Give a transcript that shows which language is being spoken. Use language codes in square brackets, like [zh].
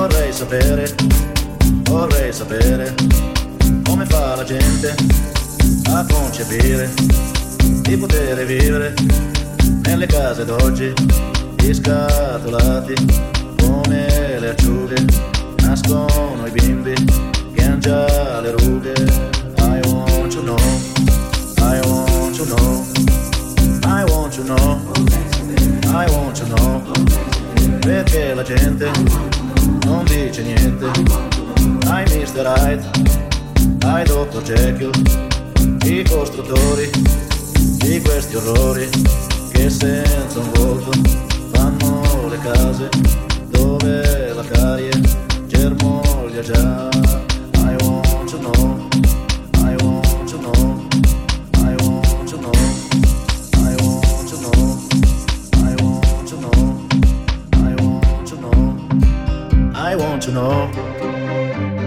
[it] sapere, vorrei sapere come fa la gente a concepire di poter vivere nelle case d'oggi, gli scatolati come le acciughe nascono i bimbi che hanno già le rughe. [en] I want to know, I want to know, I want to know, I want to know, [it] perché la gente non dice niente. [en] I'm Mr. Right, I'm Dr. [it] Jekyll, i costruttori di questi orrori che senza un volto fanno le case dove la carie germoglia già. [en] I want to know, I want to know, I want to know, I want to know, I want to know, I want to know, I want to know.